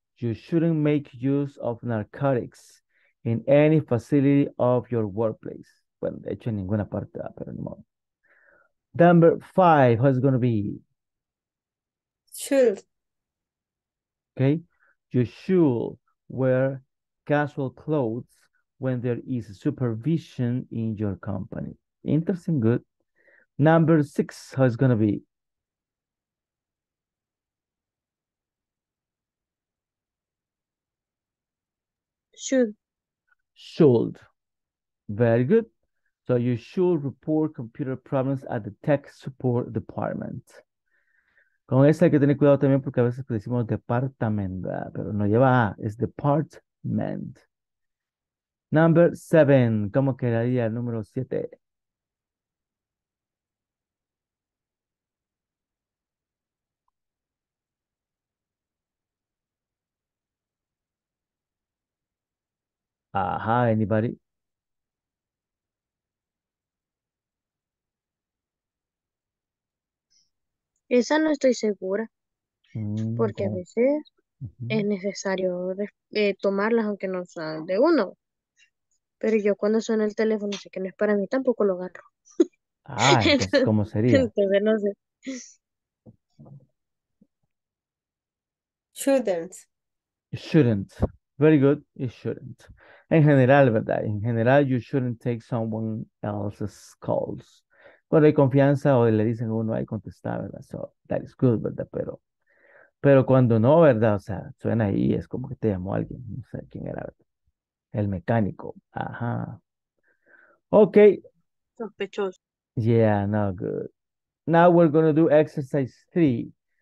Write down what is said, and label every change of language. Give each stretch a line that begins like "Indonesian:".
English: You shouldn't make use of narcotics in any facility of your workplace.
Spanish: Bueno, de hecho, en ninguna parte, pero no.
English: Number five, who's going to be? Should. Okay. You should wear casual clothes when there is supervision in your company. Interesting. Good. Number six, who's going to be? Should. Very good. So you should report computer problems at the tech support department.
Spanish: Con eso hay que tener cuidado también porque a veces decimos department, pero no lleva A, es department.
English: Number seven.
Spanish: ¿Cómo quedaría el número siete?
English: Aha, anybody?
Spanish: Esa no estoy segura, porque a veces es necesario tomarlas aunque no sean de uno. Pero yo cuando suena el teléfono, sé que no es para mí, tampoco lo agarro. Ah, entonces, ¿cómo sería? Entonces, no sé.
English: Shouldn't. Shouldn't. Very good. It shouldn't.
Spanish: En general, ¿verdad? En general,
English: you shouldn't take someone else's calls.
Spanish: Cuando hay confianza o le dicen uno, hay que contestar, ¿verdad?
English: So, that is good,
Spanish: ¿verdad? Pero cuando no, ¿verdad? O sea, suena ahí, es como que te llamó alguien. No sé quién era, ¿verdad? El mecánico. Ajá. Ok. Sospechoso.
English: Yeah, not good. Now we're going to do exercise three.